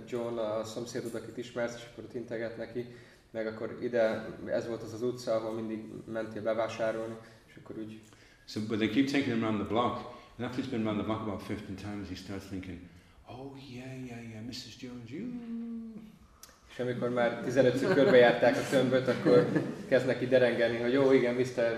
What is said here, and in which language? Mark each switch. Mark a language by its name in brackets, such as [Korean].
[Hungarian] John, a szomszédod, akit ismersz, és akkor ott integet neki, meg akkor ide, ez volt az az utca, ahol mindig mentél bevásárolni, és akkor úgy. [English] So, but they keep taking him around the block, and after he's been around the block about 15 times, he starts thinking, oh yeah, Mrs. Jones, you. [Hungarian] És amikor már 15-ször körbejárták a tömböt, akkor kezd neki derengelni, hogy jó, igen, Mr.